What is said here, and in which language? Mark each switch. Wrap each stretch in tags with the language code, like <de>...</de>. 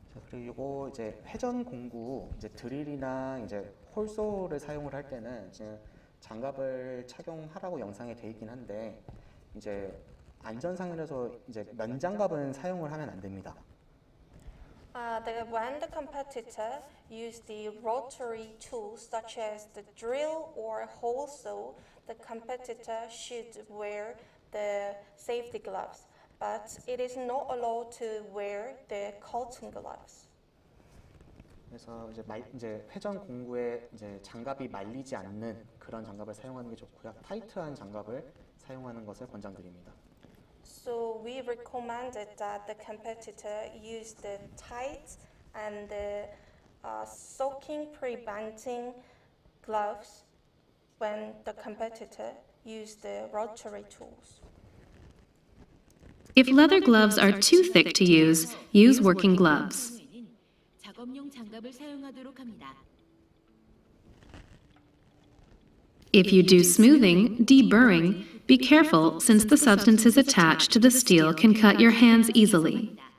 <ko>그리고 이제 회전 공구, 이제 드릴이나 이제 홀소를 사용을 할 때는 지금 장갑을 착용하라고 영상에 돼 있긴 한데 이제 안전상에서 이제 면장갑은 사용을 하면 안 됩니다.</ko> <en>When the competitor use the rotary tools such as the drill or hole saw, the competitor should wear the safety gloves. But it is not allowed to wear the cotton gloves.</en> <ko>그래서 이제 회전 공구에 이제 장갑이 말리지 않는 그런 장갑을 사용하는 게 좋고요. 타이트한 장갑을 사용하는 것을 권장드립니다.</ko> <en>So we recommended that the competitor use the tight and the soaking preventing gloves when the competitor use the rotary tools. If leather gloves are too thick to use, use working gloves.</en> <ko>작업용 장갑을 사용하도록 합니다.</ko> <en>If you do smoothing, deburring, be careful, since the substances attached to the steel can cut your hands easily.</en>